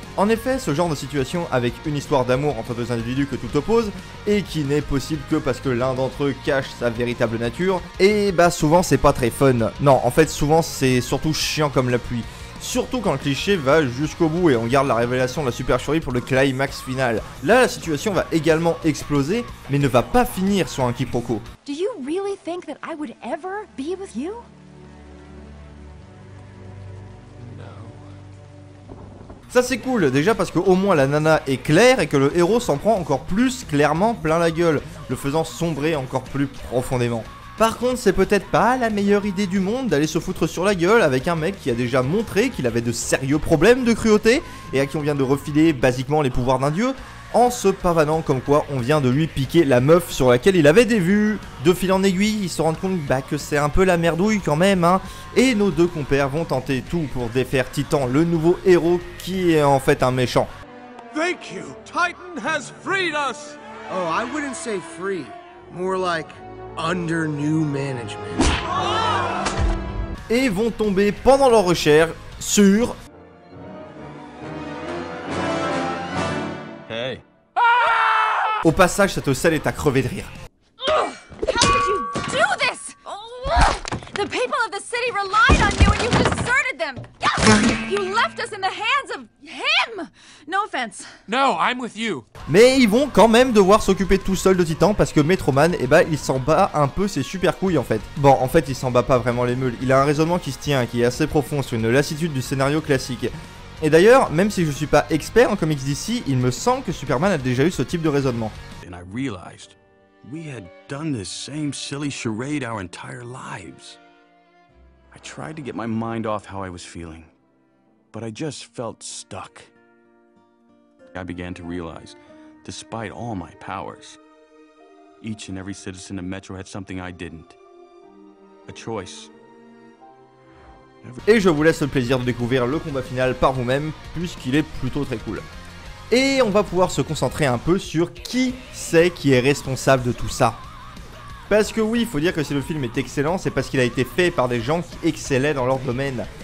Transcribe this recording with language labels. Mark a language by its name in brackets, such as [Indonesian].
[French] En effet, ce genre de situation avec une histoire d'amour entre deux individus que tout oppose, et qui n'est possible que parce que l'un d'entre eux cache sa véritable nature, et bah souvent c'est pas très fun. Non, en fait souvent c'est surtout chiant comme la pluie. Surtout quand le cliché va jusqu'au bout et on garde la révélation de la supercherie pour le climax final. Là, la situation va également exploser, mais ne va pas finir sur un quiproquo. [English] Do you really think that I would ever be with you? [French] Ça c'est cool, déjà parce que au moins la nana est claire et que le héros s'en prend encore plus clairement plein la gueule, le faisant sombrer encore plus profondément. Par contre, c'est peut-être pas la meilleure idée du monde d'aller se foutre sur la gueule avec un mec qui a déjà montré qu'il avait de sérieux problèmes de cruauté et à qui on vient de refiler basiquement les pouvoirs d'un dieu, en se pavanant comme quoi on vient de lui piquer la meuf sur laquelle il avait des vues. De fil en aiguille, ils se rendent compte que c'est un peu la merdouille quand même, hein. Et nos deux compères vont tenter tout pour défaire Titan, le nouveau héros qui est en fait un méchant. [English] Thank you. Titan has freed us. Oh, I wouldn't say free. More like under new management. [French] Et vont tomber pendant leur recherche sur... Au passage, cette scène est à crever de rire. [English] How did you do this? The people of the city relied on you and you deserted them. You left us in the hands of him. No offense. No, I'm with you. [French] Mais ils vont quand même devoir s'occuper tout seul de Titan parce que Metroman, il s'en bat un peu ses super couilles en fait. Bon, en fait, il s'en bat pas vraiment les meules. Il a un raisonnement qui se tient, qui est assez profond sur une lassitude du scénario classique. Et d'ailleurs, même si je suis pas expert en comics DC, il me semble que Superman a déjà eu ce type de raisonnement. [English] And I realized we had done this same silly charade our entire lives. I tried to get my mind off how I was feeling, but I just felt stuck. I began to realize, despite all my powers, each and every citizen of Metro had something I didn't. A choice. [French] Et je vous laisse le plaisir de découvrir le combat final par vous-même, puisqu'il est plutôt très cool. Et on va pouvoir se concentrer un peu sur qui c'est qui est responsable de tout ça. Parce que oui, il faut dire que si le film est excellent, c'est parce qu'il a été fait par des gens qui excellaient dans leur domaine.